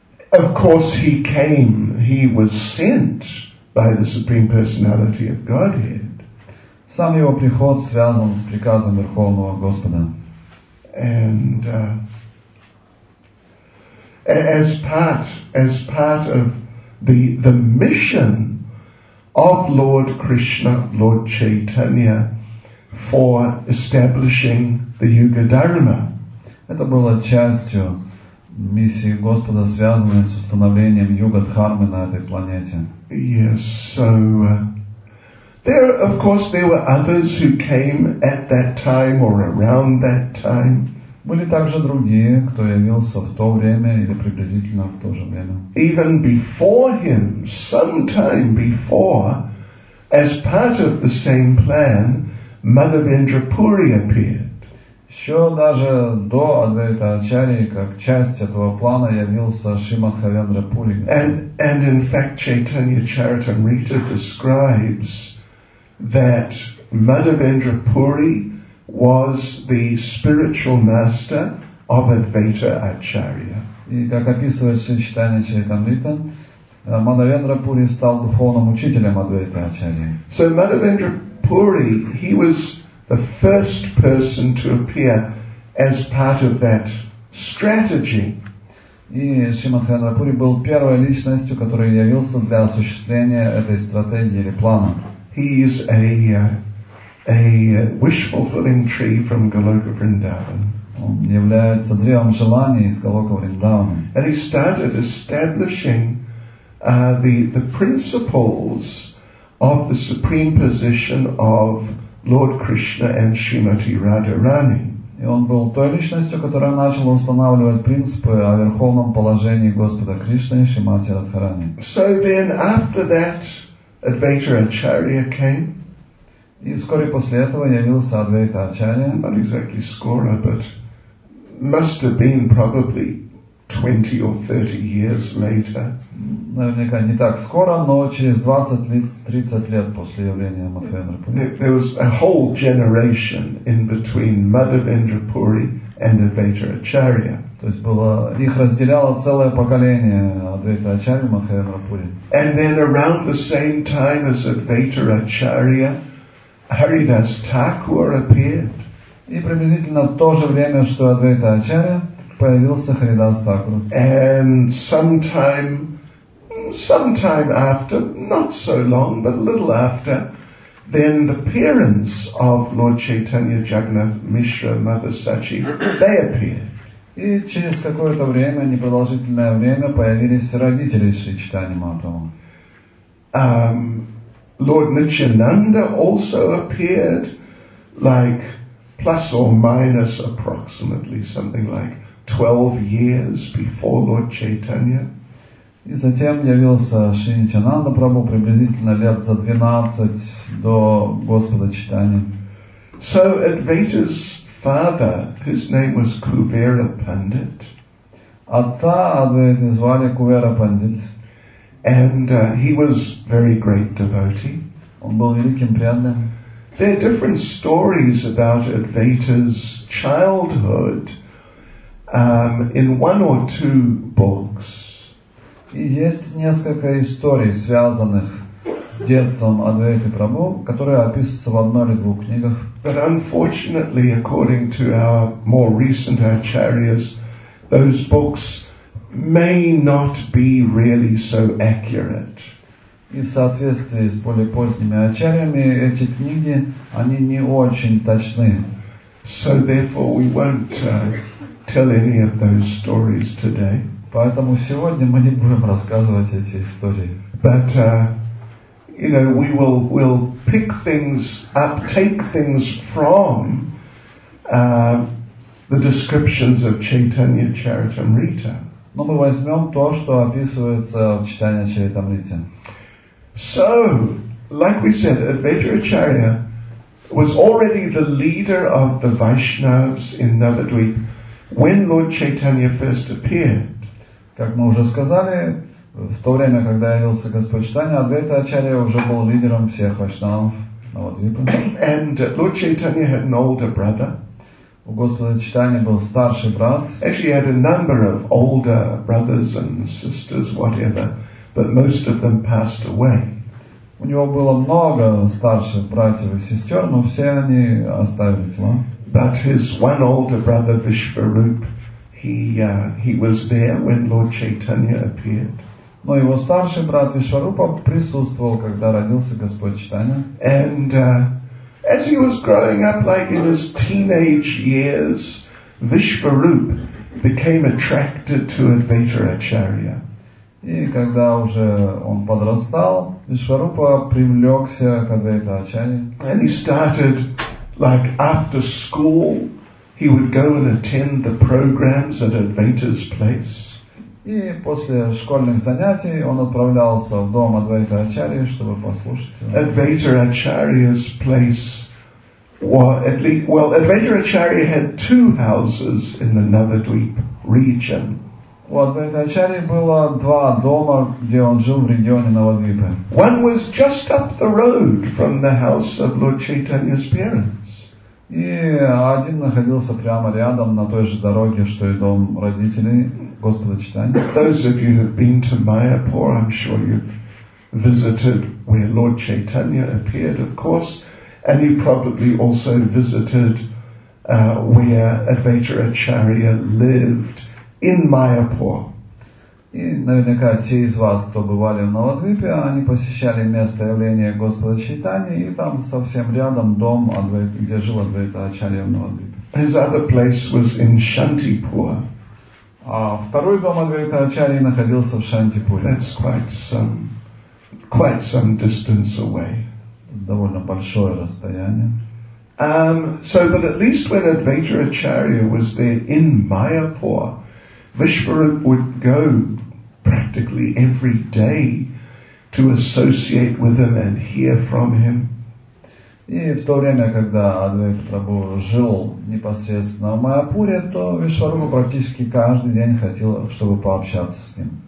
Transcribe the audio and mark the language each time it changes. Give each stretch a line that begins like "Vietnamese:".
English: Of course he came, he was sent by the Supreme Personality of Godhead.
Russian: Сам его приход связан с приказом Верховного Господа.
English: And as part of the mission of Lord Krishna, Lord Chaitanya, for establishing the Yuga Dharma.
Russian: Это было частью миссии Господа, связанной с установлением Юга Дхармы на этой планете.
English: Yes, so there were others who came at that time or around that time.
Russian: Были также другие, кто явился в то время или приблизительно в то же время.
English: Even before him, sometime before, as part of the same plan, Madhavendra Puri appeared.
Russian: Еще даже до Адвайта Ачарьи, как часть этого плана, явился Шри Мадхавендра Пури.
English: And in fact, Chaitanya Charitamrita describes that Madhavendra Puri was the spiritual master of Advaita Acharya.
Russian: И как описывает Шри Чайтанья Чаритамрита, Мадхавендра Пури стал духовным учителем Адвайта Ачарьи.
English: So Мадхавендра Пури, he was the first person to appear as part of that strategy.
Russian: И Шри Мадхавендра Пури был первой личностью, который явился для осуществления этой стратегии или плана.
English: He is a wish-fulfilling tree from Goloka Vrindavan.
Russian: Он является древом желаний из Голока Вриндавана.
English: And he started establishing the principles of the supreme position of Lord Krishna and Srimati Radharani.
Russian: И он был той личностью, которая начала устанавливать принципы о верховном положении Господа Кришны и Шримати Радхарани.
English: So then, after that, Advaita Acharya came.
Russian: И вскоре после этого явился Адвайта Ачарья.
English: Not exactly
Russian: скоро,
English: but must have been probably 20 or 30 years later.
Russian: Наверняка не так скоро, но через 20-30 лет после явления Мадхавендра Пури.
English: There was a whole generation in between Madhavendra Puri and Advaita Acharya.
Russian: То есть было, их разделяло целое поколение Адвайта Ачарьи и Мадхавендра Пури.
English: And then around the same time as Advaita Acharya, Haridas Thakur appeared.
Russian: И приблизительно в то же время, что Адвайта Ачарья, появился Харидас Такур.
English: And sometime after, not so long, but a little after, then the parents of Lord Chaitanya Jagannath Mishra, Mother Sachi, they appeared.
Russian: И через какое-то время, непродолжительное время, появились родители Шри Чайтаньи Махапрабху.
English: Lord Nityananda also appeared, like plus or minus approximately something like 12 years before Lord Chaitanya.
Russian: И затем явился Шри Нитянанда Прабху приблизительно лет за 12 до Господа Чайтаньи.
English: So Advaita's father, his name was Kuvera Pandit.
Russian: Отца Адвайты звали Кувера Пандит.
English: And he was very great devotee.
Russian: Он был великим преданным.
English: There are different stories about Advaita's childhood in one or two books.
Russian: И есть несколько историй, связанных с детством Адвайты Прабху, которые описываются в одной или двух книгах.
English: But unfortunately, according to our more recent acharyas, those books may not be really so accurate.
Russian: И в соответствии с более поздними ачарьями, эти книги, они не очень точны.
English: So therefore we won't tell any of those stories today.
Russian: Поэтому сегодня мы не будем рассказывать эти истории.
English: But, you know, we'll pick things up, take things from the descriptions of Chaitanya Charitamrita.
Russian: Но мы возьмем то, что описывается в Чайтанья Чаритамрите.
English: So, like we said, Advaita Acharya was already the leader of the Vaishnavas in Navadvip when Lord Chaitanya first appeared.
Russian: Как мы уже сказали, в то время, когда явился Господь Чайтанья, Адвайта Ачарья уже был лидером всех Вайшнавов Навадвипа.
English: And Lord Chaitanya had an older brother.
Russian: У Господа Чайтаньи был старший брат.
English: Actually, he had a number of older brothers and sisters, whatever, but most of them passed away.
Russian: У него было много старших братьев и сестер, но все они оставили тела.
English: But his one older brother, Vishvarup, he was there when Lord Chaitanya appeared.
Russian: Но его старший брат Вишварупа присутствовал, когда родился Господь Чайтанья.
English: And as he was growing up, like in his teenage years, Vishvarup became attracted to Advaita Acharya.
Russian: И когда уже он подрастал, Вишварупа привлекся к Адвайта Ачарье.
English: And he started, like after school, he would go and attend the programs at Advaita's place.
Russian: И после школьных занятий он отправлялся в дом Адвайта Ачарьи, чтобы послушать его.
English: Advaita Acharya's place, Advaita Acharya had two houses in the Navadvip region.
Russian: У Адвайта Ачарьи было два дома, где он жил в регионе Навадвипа.
English: One was just up the road from the house of Lord Chaitanya's parents.
Russian: И один находился прямо рядом на той же дороге, что и дом родителей.
English: Those of you who have been to Mayapur, I'm sure you've visited where Lord Chaitanya appeared, of course, and you probably also visited where Advaita Acharya lived in Mayapur.
Russian: И наверняка те из вас, кто бывали в Навадвипе, они посещали место явления Господа Чайтаньи, и там совсем рядом дом, где жил Адвайта Ачарья в Навадвипе.
English: His other place was in Shantipur.
Russian: А второй дом Адвайта Ачарьи находился в Шантипуре.
English: That's quite some quite some distance away.
Russian: Довольно большое расстояние.
English: But at least when Advaita Acharya was there in Mayapur, Vishwarup would go practically every day to associate with him and hear from him.
Russian: И в то время, когда Адвайта Прабху жил непосредственно в Майяпуре, то Вишварупа практически каждый день хотел, чтобы пообщаться с ним.